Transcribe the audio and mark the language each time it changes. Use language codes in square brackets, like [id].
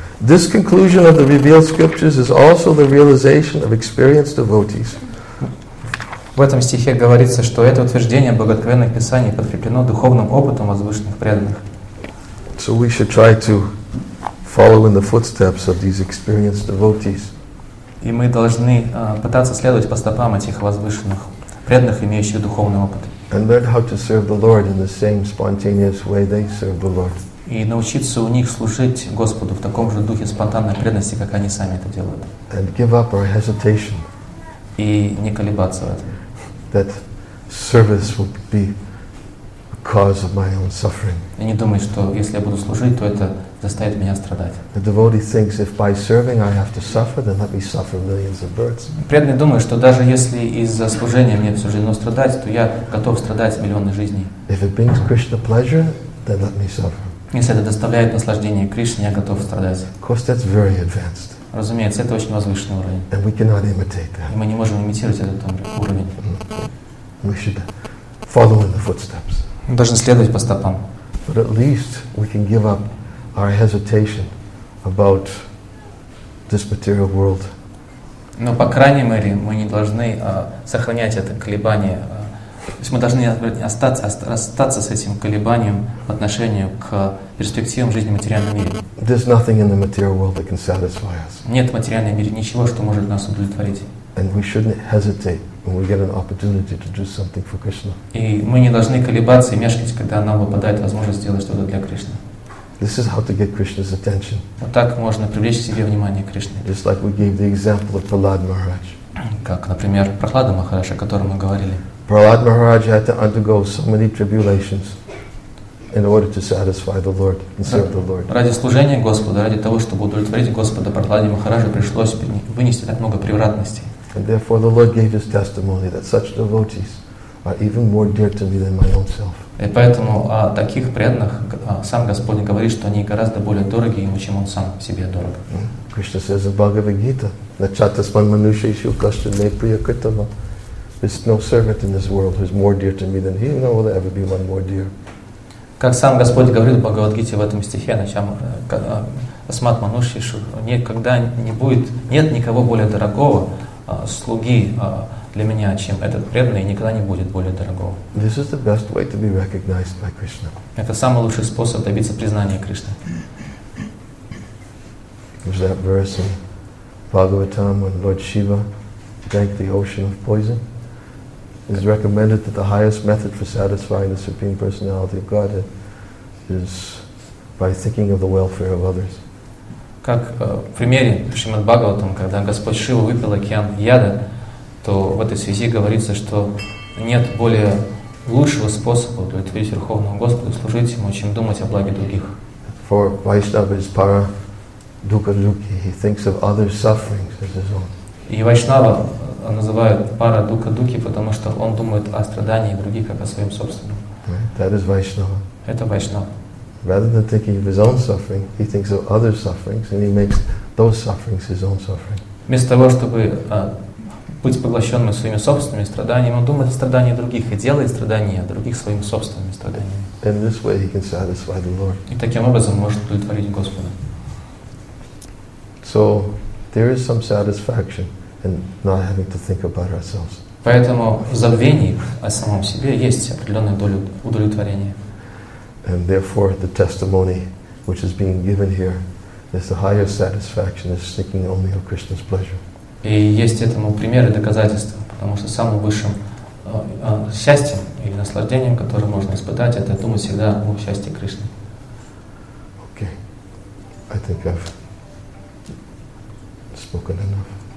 [en] This conclusion of the revealed scriptures is also the realization of experienced devotees. [ru] В этом стихе говорится, что это утверждение богооткровенных писаний подкреплено духовным опытом возвышенных преданных. [en] So we should try to follow in the footsteps of these experienced devotees. [ru] И мы должны пытаться следовать по стопам этих возвышенных преданных, имеющих духовный опыт. [en] And learn how to serve the Lord in the same spontaneous way they serve the Lord. [ru] И научиться у них служить Господу в таком же духе спонтанной преданности, как они сами это делают. [en] And give up our hesitation. [ru] И не колебаться в этом. [en] That service will be a cause of my own suffering. [ru] И не думать, что если я буду служить, то это заставит меня страдать. [en] The devotee thinks if by serving I have to suffer, then let me suffer millions of births. [ru] Преданный думает, что даже если из-за служения мне суждено страдать, то я готов страдать миллионы жизней. [en] If it brings Krishna pleasure, then let me suffer. [ru] Если это доставляет наслаждение Кришне, я готов страдать. [en] Of course, that's very advanced. [ru] Разумеется, это очень возвышенный уровень. [en] And we cannot imitate that. [ru] И мы не можем имитировать этот уровень. [en] Mm-hmm. We should follow in the footsteps. [ru] Мы должны следовать по стопам. [en] But at least we can give up our hesitation about this material world. [ru] Но по крайней мере мы не должны сохранять это колебание. То есть мы должны остаться с этим колебанием в отношении к перспективам жизни в материальном мире. [en] There's nothing in the material world that can satisfy us. [ru] Нет в материальном мире ничего, что может нас удовлетворить. [en] And we shouldn't hesitate when we get an opportunity to do something for Krishna. [ru] И мы не должны колебаться и мешкать, когда нам выпадает возможность сделать что-то для Кришны. [en] This is how to get Krishna's attention. [ru] Вот так можно привлечь к себе внимание Кришны. [en] Just like we gave the example of Prahlad Maharaj. [ru] Как, например, Прохлада Махарадж, о котором мы говорили. [en] Prahlad Maharaj had to undergo so many tribulations in order to satisfy the Lord and serve the Lord. [ru] Ради служения Господу, ради того, чтобы удовлетворить Господа, Прохладе Махараджу пришлось вынести так много превратностей. [en] And therefore the Lord gave his testimony that such devotees are even more dear to me than my own self. [ru] И поэтому о таких преданных сам Господь говорит, что они гораздо более дороги ему, чем он сам себе дорог. [sa] Кришна [en] says in [sa] Бхагавад-гита, начатасман манушейшу кашчане приякритама. [en] There's no servant in this world who's more dear to me than he, nor will there ever be one more dear. [ru] Как сам Господь говорит в Бхагавад-гите в этом стихе, [sa] начам асмат манушейшу, [ru] никогда не будет, нет никого более дорогого слуги для меня, чем этот преданный, никогда не будет более дорогого. [en] This is the best way to be recognized by Krishna. [ru] Это самый лучший способ добиться признания Кришны. [en] There's that verse in Bhagavatam when Lord Shiva drank the ocean of poison. It is recommended that the highest method for satisfying the Supreme Personality of Godhead is by thinking of the welfare of others. [ru] Как в примере Шримад-Бхагаватам, когда Господь Шива выпил океан яда, то в этой связи говорится, что нет более лучшего способа удовлетворить Верховного Господа, служить Ему, чем думать о благе других. [en] For Vaishnava is [sa] para dukkha dukkhi. [en] He thinks of others' sufferings as his own. [ru] И Вайшнава называют [sa] пара дукха дукхи, [ru] потому что он думает о страдании других, как о своем собственном. [en] Right. That is Vaishnava. [ru] Это Вайшнава. [en] Rather than thinking of his own suffering, he thinks of others' sufferings, and he makes those sufferings his own suffering. [ru] Вместо того, чтобы быть поглощенным своими собственными страданиями, он думает о страданиях других и делает страдания других своими собственными страданиями. [en] In this way, he can satisfy the Lord. [ru] И таким образом может удовлетворить Господа. [en] So there is some satisfaction in not having to think about ourselves. [ru] Поэтому в забвении о самом себе есть определенная доля удовлетворения. [en] And therefore, the testimony which is being given here is the highest satisfaction is thinking only of Krishna's pleasure. [ru] И есть этому примеры и доказательства, потому что самым высшим счастьем или наслаждением, которое можно испытать, это думать всегда о счастье Кришны. [en] Okay, I think I've spoken enough.